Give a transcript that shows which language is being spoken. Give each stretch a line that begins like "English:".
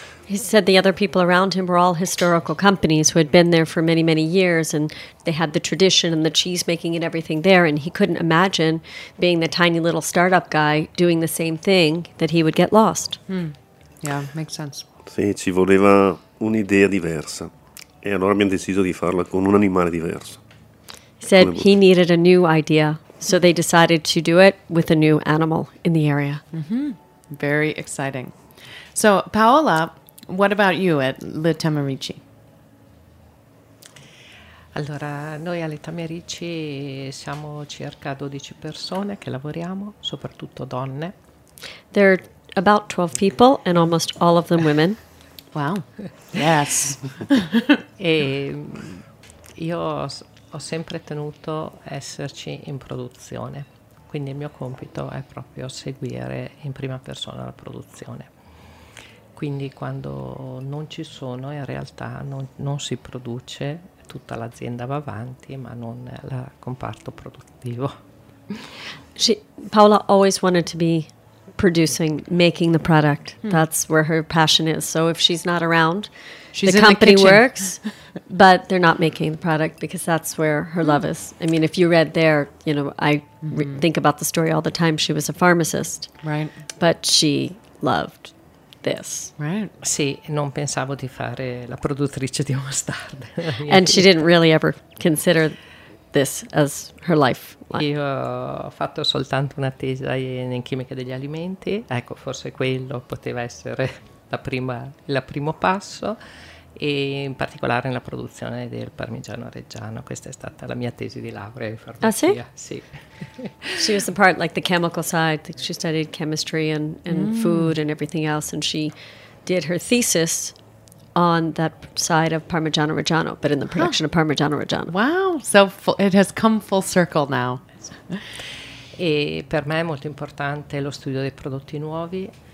English: He said the other people around him were all historical companies who had been there for many, many years, and they had the tradition and the cheese making and everything there, and he couldn't imagine being the tiny little startup guy doing the same thing, that he would get lost. Mm. Yeah, makes sense.
Italian: Sì, ci voleva un'idea diversa. E allora abbiamo deciso di farla con un animale diverso.
English: He said he needed a new idea, so they decided to do it with a new animal in the area. Mm-hmm. Very exciting. So, Paola, what about you at Le Tamerici?
Italian: Allora, noi a Le Tamerici siamo circa 12 persone che lavoriamo, soprattutto donne.
English: There are about 12 people and almost all of them women. Wow. Yes.
Italian: E io ho sempre tenuto esserci in produzione, quindi il mio compito è proprio seguire in prima persona la produzione. Quindi quando non ci sono, in realtà non si produce, tutta l'azienda va avanti, ma non il comparto produttivo.
English: Paola always wanted to be producing, making the product. That's where her passion is. So if she's not around, she's the company the works, but they're not making the product because that's where her love is. I mean, if you read there, you know, I think about the story all the time. She was a pharmacist, right? But she loved this, right?
Italian: Sì, non pensavo di fare la produttrice di mostarda.
English: And she didn't really ever consider this as her life.
Italian: Io ho fatto soltanto una tesi in chimica degli alimenti, ecco, forse quello poteva essere il primo passo, e in particolare nella produzione del parmigiano reggiano. Questa è stata la mia tesi di laurea in farmacia. Ah, sì? Sì.
English: She was the part, like the chemical side, she studied chemistry and food and everything else, and she did her thesis on that side of Parmigiano Reggiano, but in the production of Parmigiano Reggiano. Wow, so it has come full circle now.
Italian: E per me è molto importante lo studio dei prodotti nuovi.